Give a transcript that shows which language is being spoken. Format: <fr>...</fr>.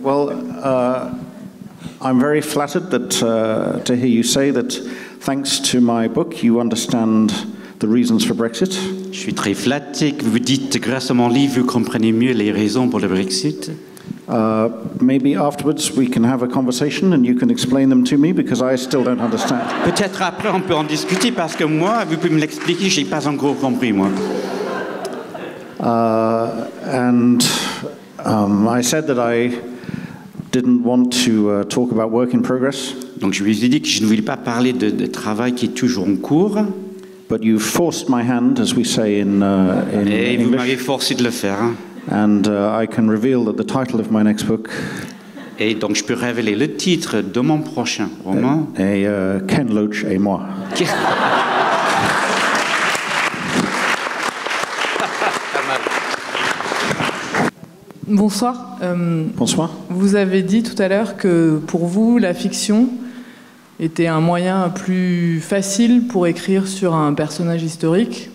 <en>Well, I'm very flattered that to hear you say that thanks to my book you understand the reasons for Brexit.</en> <fr>Je suis très flatté que vous dites grâce à mon livre vous comprenez mieux les raisons pour le Brexit.</fr> <en>Maybe afterwards we can have a conversation and you can explain them to me because I still don't understand.</en> <fr>Peut-être après on peut en discuter parce que moi vous pouvez me l'expliquer, j'ai pas encore compris moi.</fr> <en>I said that I didn't want to talk about work in progress.</en> <fr>Donc je lui ai dit que je ne voulais pas parler de travail qui est toujours en cours.</fr> <en>But you forced my hand, as we say in</en> <fr>Et</fr> <en>English.</en> <fr>Et vous m'avez forcé de le faire. Hein. And I can reveal that the title of my next book. Et donc je peux révéler le titre de mon prochain roman. Et Ken Loach et moi. Bonsoir. Bonsoir. Vous avez dit tout à l'heure que pour vous la fiction était un moyen plus facile pour écrire sur un personnage historique.</fr>